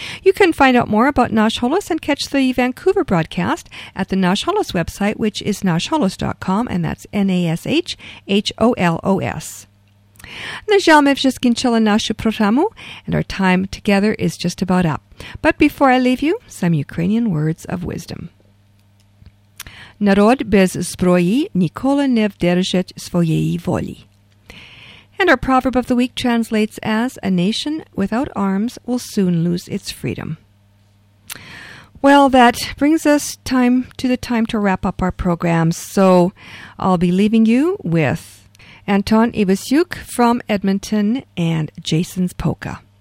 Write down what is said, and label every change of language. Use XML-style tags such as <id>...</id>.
<en>You can find out more about Nash Holos and catch the Vancouver broadcast at the Nash Holos website, which is nashholos.com, and that's NASHHOLOS. And our time together is just about up. But before I leave you, some Ukrainian words of wisdom.</en> <uk>Народ без зброї ніколи не вдержить своєї волі.</uk> <en>And our proverb of the week translates as, a nation without arms will soon lose its freedom. Well, that brings us time to wrap up our program. So I'll be leaving you with Anton Ivasyuk from Edmonton and Jason's Polka.</en>